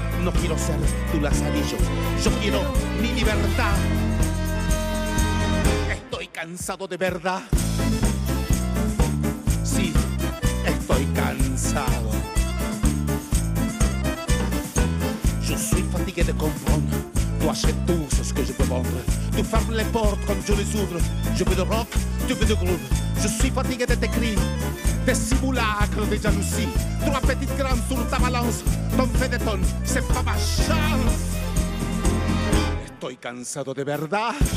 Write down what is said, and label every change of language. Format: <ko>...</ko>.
<es>No quiero ser tu lazarillo, yo quiero mi libertad. Estoy cansado de verdad. Sí, estoy cansado. Yo soy</es> <fr>fatigué de confort. Tu achètes tout ce que je peux vendre. Tu fermes les portes quand je les ouvre. Je veux du rock, tu veux du groove. Je suis fatigué de tes cris, des simulacres de jalousie. Trois petites grammes sur ta balance. Ton fédéton, c'est pas ma chance.</fr> <es>Estoy cansado de verdad.</es>